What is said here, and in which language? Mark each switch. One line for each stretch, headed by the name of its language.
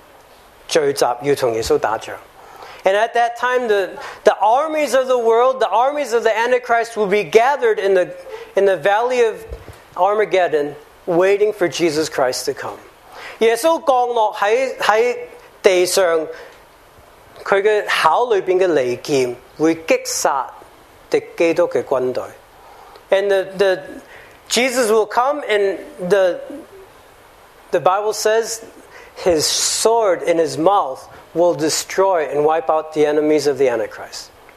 Chinese: 他降落在橄榄山，当时世界的军队跟着敌基督聚集在亚米格多顿的平原，聚集要跟耶稣打仗。
English: And at that time, the armies of the world, the armies of the Antichrist will be gathered in the valley of Armageddon, waiting for Jesus Christ to come.
Chinese: 耶稣降落在地上，他的口里边的利剑会击杀敌基督的军队。
English: And the Jesus will come, and the Bible says His sword in His mouth will destroy and wipe out the enemies of the Antichrist.